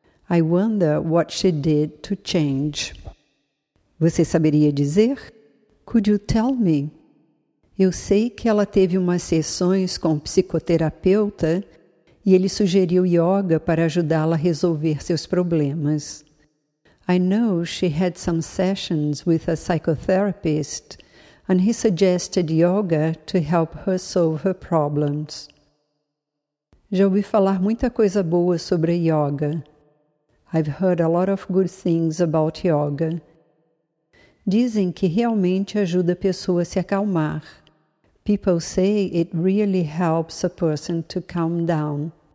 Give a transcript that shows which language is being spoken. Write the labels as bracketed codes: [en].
[en] I wonder what she did to change. [pt] Você saberia dizer? [en] Could you tell me? [pt] Eu sei que ela teve umas sessões com um psicoterapeuta e ele sugeriu yoga para ajudá-la a resolver seus problemas. [en] I know she had some sessions with a psychotherapist and he suggested yoga to help her solve her problems. [pt] Já ouvi falar muita coisa boa sobre yoga. [en] I've heard a lot of good things about yoga. [pt] Dizem que realmente ajuda a pessoa a se acalmar. [en] People say it really helps a person to calm down.